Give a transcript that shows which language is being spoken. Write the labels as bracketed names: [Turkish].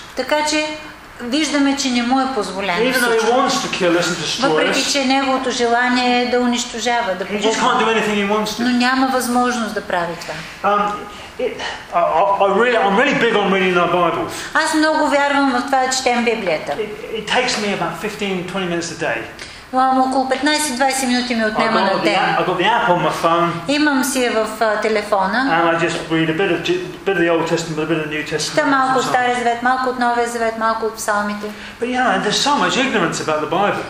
[Bulgarian] Така че виждаме, че не му е позволено всичко. Въпреки, че неговото желание е да унищожава, да погубва, но няма възможност да прави това. [English] I'm really big on reading the Bible. [Bulgarian] Аз много вярвам в това, че четем Библията. [English] It takes me about 15-20 minutes a day. [Bulgarian] Около 15-20 минути ми отнема на ден. [English] I've got the app on my phone. [Bulgarian] Имам си я в телефона. [English] And I just read a bit of the Old Testament, a bit of the New Testament. [Bulgarian] Чета малко от Стария Завет, малко от Новия Завет, малко от Псалмите. [English] But yeah, there's so much ignorance about the Bible.